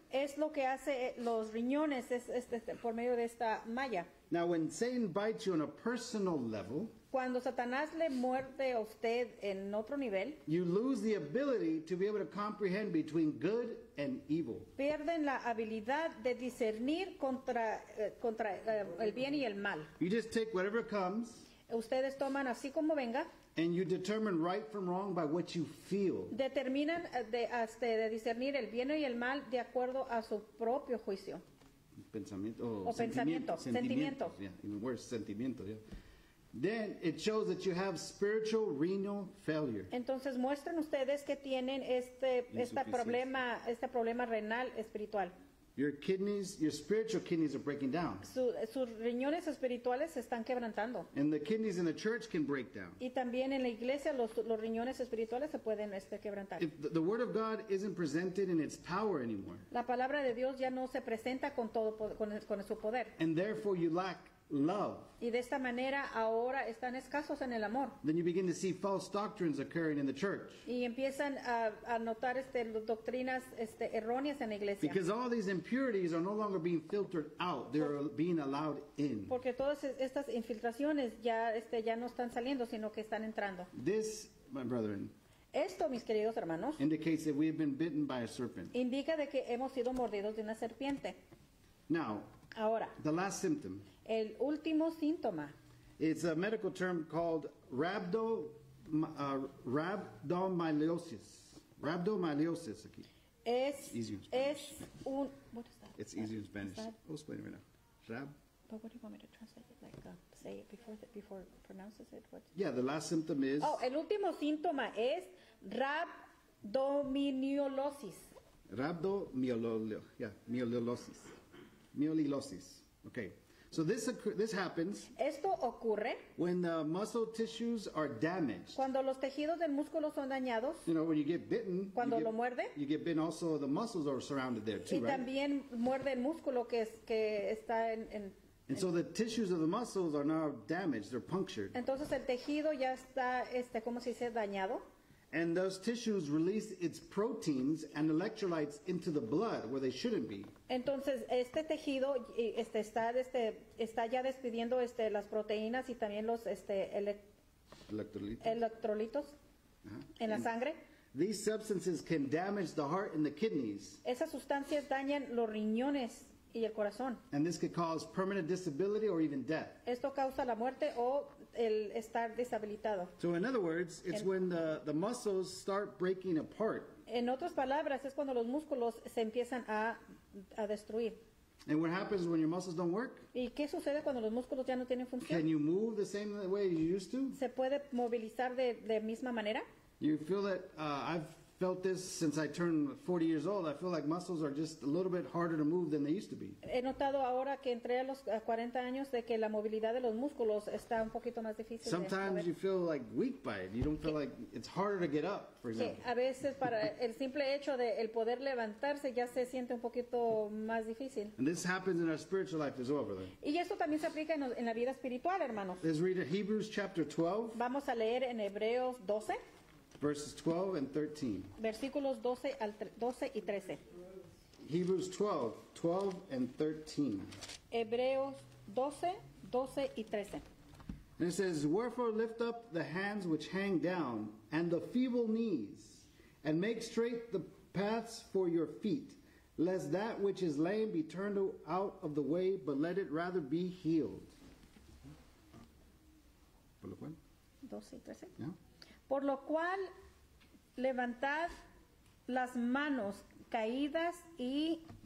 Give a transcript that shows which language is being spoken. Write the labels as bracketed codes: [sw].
[es] Es lo que hace los riñones por medio de esta malla. [en] Now, when Satan bites you on a personal level, [es] cuando Satanás le muerde a usted en otro nivel, [en] you lose the ability to be able to comprehend between good and evil. [es] Pierden la habilidad de discernir contra el bien y el mal. [en] You just take whatever comes. [es] Ustedes toman así como venga. [en] And you determine right from wrong by what you feel. [es] Determinan de discernir el bien y el mal de acuerdo a su propio juicio. [en] Then it shows that you have spiritual renal failure. [es] Entonces muestran ustedes que tienen este problema renal espiritual. [en] Your spiritual kidneys are breaking down. [es] Sus riñones espirituales se están quebrantando. [en] And the kidneys in the church can break down. [es] Y también en la iglesia los riñones espirituales se pueden quebrantar. [en] The word of God isn't presented in its power anymore. [es] La palabra de Dios ya no se presenta con todo con su poder. [en] And therefore you lack love. [es] Y de esta manera ahora están escasos en el amor. [en] Then you begin to see false doctrines occurring in the church. [es] Y empiezan a notar doctrinas erróneas en la iglesia. [en] Because all these impurities are no longer being filtered out, they're being allowed in. [es] Porque todas estas infiltraciones ya no están saliendo, sino que están entrando. [en] This, my brethren, [es] esto, mis queridos hermanos, [en] indicates that we have been bitten by a serpent. [es] Indica de que hemos sido mordidos de una serpiente. [en] Now, [es] ahora, [en] the last symptom. [es] El último síntoma. [en] It's a medical term called rhabdomyolysis. [es] Rhabdomyolysis. Aquí. Es [en] easier in Spanish. [es] Es un, [en] what is that? It's easier in Spanish. I'll explain it right now. Rhab. But what do you want me to translate it? Like say it before it pronounces it? What? Yeah, the last symptom is. [es] Oh, el último síntoma es rhabdomyolysis. Rhabdomyolysis. Myelolysis. Okay. [en] So this happens. [es] Esto ocurre [en] when the muscle tissues are damaged. [es] Cuando los tejidos del músculo son dañados. [en] You know, when you get bitten, [es] cuando [en] you [es] lo muerde, [en] you get bitten. Also, the muscles are surrounded there too, [es] y [en] right? [es] Y también muerde el músculo que está en. [en] And so the tissues of the muscles are now damaged. They're punctured. [es] Entonces el tejido ya está ¿cómo se dice? Dañado. [en] And those tissues release its proteins and electrolytes into the blood where they shouldn't be. [es] Entonces, este tejido está ya despidiendo las proteínas y también los electrolitos uh-huh. en la sangre. [en] These substances can damage the heart and the kidneys. [es] Esas sustancias dañan los riñones y el corazón. [en] And this could cause permanent disability or even death. [es] Esto causa la muerte o el estar deshabilitado. [en] So in other words, it's when the muscles start breaking apart. [es] En otras palabras, es cuando los músculos se empiezan a destruir. [en] And what happens when your muscles don't work? [es] ¿Y qué sucede cuando los músculos ya no tienen función? [en] Can you move the same way you used to? [es] ¿Se puede movilizar de misma manera? [en] You feel that I've felt this since I turned 40 years old. I feel like muscles are just a little bit harder to move than they used to be. [es] He notado ahora que entré a los 40 años de que la movilidad de los músculos está un poquito más difícil. [en] Sometimes you feel like weak by it. You don't feel like it's harder to get up, for example. [es] A veces para el simple hecho de el poder levantarse ya se siente un poquito más difícil. [en] And this happens in our spiritual life as well, brother. [es] Y esto también se aplica en la vida espiritual, hermanos. [en] Let's read Hebrews chapter 12. [es] Vamos a leer en Hebreos 12. [en] Verses 12 and 13. [es] Versículos 12 y 13. [en] Hebrews 12:12-13. [es] Hebreos 12:12-13. [en] And it says, "Wherefore lift up the hands which hang down, and the feeble knees, and make straight the paths for your feet, lest that which is lame be turned out of the way, but let it rather be healed." [es] ¿Por lo cual? 12 y 13. [en] Yeah. [es] Por lo cual, levantad las manos caídas y